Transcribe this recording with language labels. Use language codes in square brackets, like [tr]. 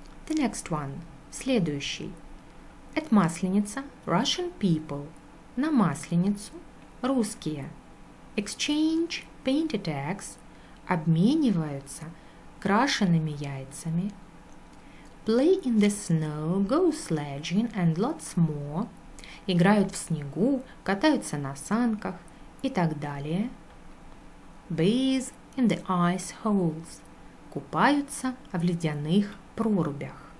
[en] next one. [ru] Следующий. [en] At Масленица. Russian people. [ru] На Масленицу. Русские. [en] Exchange painted eggs. [ru] Обмениваются крашенными яйцами. [en] Play in the snow, go sledging and lots more. [ru] Играют в снегу, катаются на санках и так далее. [en] Bathe in the ice holes. [ru] Купаются в ледяных прорубях.